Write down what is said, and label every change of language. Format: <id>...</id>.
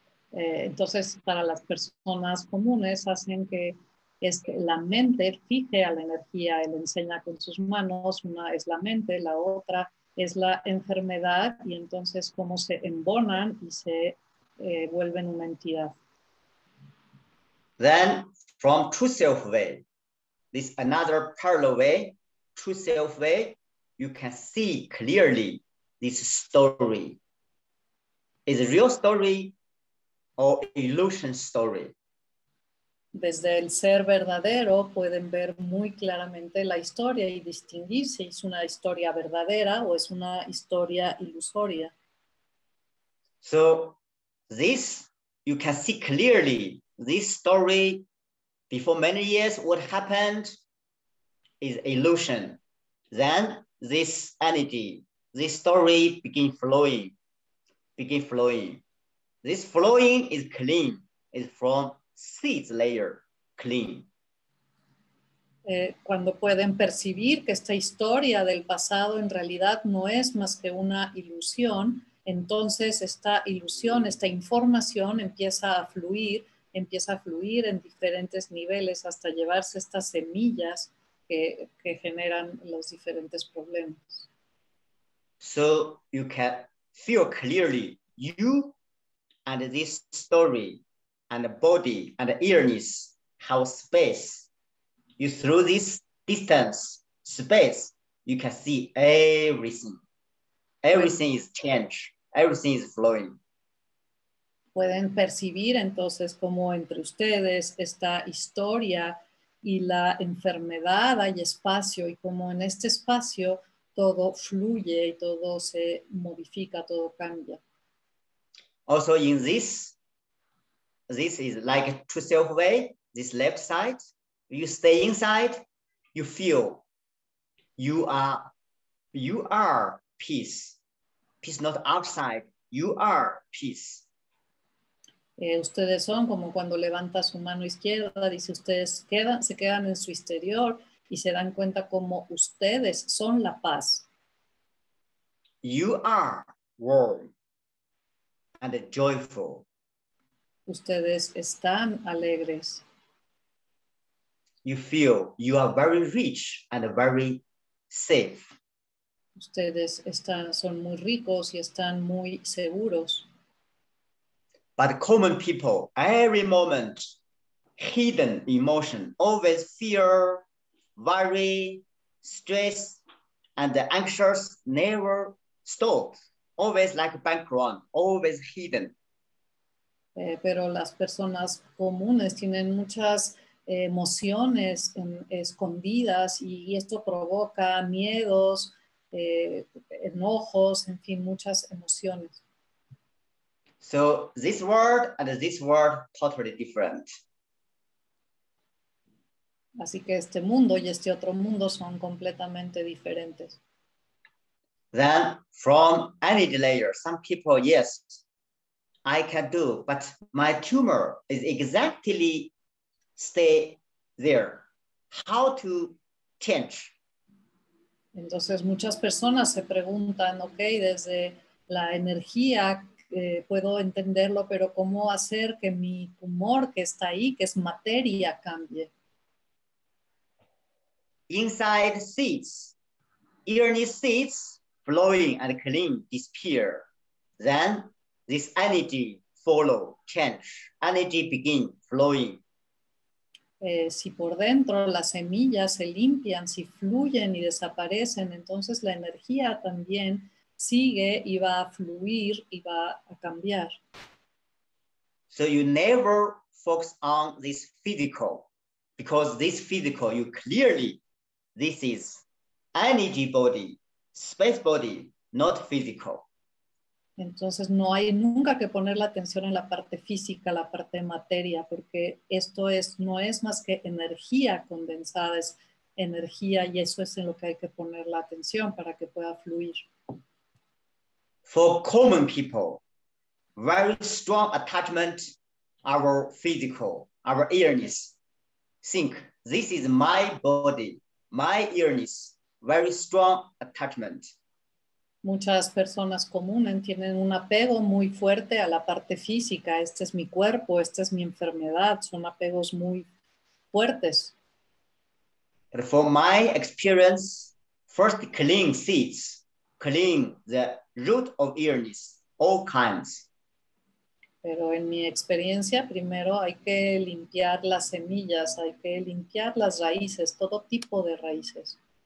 <es>Entonces para las personas comunes hacen que la mente fije a la energía, él enseña con sus manos, una es la mente, la otra es la enfermedad, y entonces cómo se embonan y se vuelven una entidad.</es> <en>Then from true self way, this another parallel way, true self way, you can see clearly this story. Is a real story or illusion story?</en> <es>Desde el ser verdadero pueden ver muy claramente la historia y distinguir si es una historia verdadera o es una historia ilusoria.</es> <en>So this, you can see clearly this story before many years, what happened is illusion. Then this energy, this story begin flowing. This flowing is clean, is from seeds layer. Clean.</en> <es>Cuando pueden percibir que esta historia del pasado en realidad no es más que una ilusión, entonces esta ilusión, esta información empieza a fluir en diferentes niveles hasta llevarse estas semillas que generan los diferentes problemas.</es> <en>So you can feel clearly you and this story and the body and the illness how space, you through this distance, space, you can see everything. Everything is change. Everything is flowing.</en> <es>Pueden percibir entonces cómo entre ustedes esta historia y la enfermedad hay espacio y cómo en este espacio todo fluye y todo se modifica, todo cambia.</es> <en>Also in this, this is like a true self way. This left side, you stay inside, you feel you are peace. Peace not outside, you are peace.</en> <es>Ustedes son como cuando levanta su mano izquierda, dice ustedes se quedan en su interior y se dan cuenta como ustedes son la paz.</es> <en>You are warm and joyful.</en> <es>Ustedes están alegres.</es> <en>You feel you are very rich and very safe.</en> <es>Ustedes son muy ricos y están muy seguros.</es> <en>But common people, every moment, hidden emotion, always fear, worry, stress, and the anxious never stops. Always like a background, always hidden.</en> <es>Pero las personas comunes tienen muchas emociones escondidas y esto provoca miedos, enojos, en fin, muchas emociones.</es> <en>So this world and this world totally different.</en> <es>Así que este mundo y este otro mundo son completamente diferentes.</es> <en>Then from any layer, some people, yes, I can do, but my tumor is exactly stay there. How to change?</en> <es>Entonces muchas personas se preguntan, okay, desde la energía puedo entenderlo, pero ¿cómo hacer que mi tumor que está ahí, que es materia, cambie?</es> <en>Inside seeds, irony seeds, flowing and clean, disappear. Then this energy follow, change. Energy begin flowing.</en> <es>Si por dentro las semillas se limpian, si fluyen y desaparecen, entonces la energía también sigue y va a fluir y va a cambiar.</es> <en>So you never focus on this physical, because this physical, you clearly, this is energy body, space body, not physical.</en> <es>Entonces no hay nunca que poner la atención en la parte física, la parte materia, porque esto no es más que energía condensada, es energía, y eso es en lo que hay que poner la atención para que pueda fluir.</es> <en>For common people, very strong attachment, our physical, our earnings. Think, this is my body, my earnings, very strong attachment.</en> <es>Muchas personas comunes tienen un apego muy fuerte a la parte física. Este es mi cuerpo, esta es mi enfermedad. Son apegos muy fuertes.</es> <en>And for my experience, first clean seeds, clean the root of illness, all kinds.</en> <es>Pero en mi experiencia, primero hay que limpiar las semillas, hay que limpiar las raíces, todo tipo de raíces.</es>